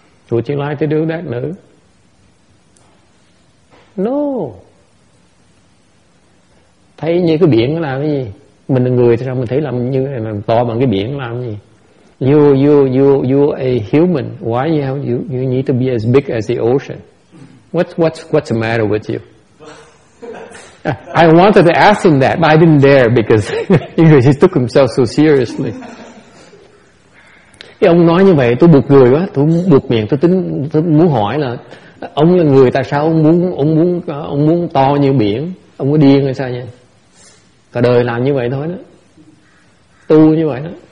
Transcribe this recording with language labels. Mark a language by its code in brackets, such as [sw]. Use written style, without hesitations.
[en] Would you like to do that, nữ? No. [vi] Thấy như cái biển nó làm cái gì? Mình là người thì sao mình thấy làm như thế này, to bằng cái biển làm cái gì? [en] You a human. Why you need to be as big as the ocean? What's the matter with you? I wanted to ask him that, but I didn't dare because he took himself so seriously. [vi] Cái ông nói như vậy, tôi buộc người quá, tôi buộc miệng, tôi muốn hỏi là ông là người, tại sao ông muốn to như biển? Ông có điên hay sao vậy? Cả đời làm như vậy thôi đó, tu như vậy đó.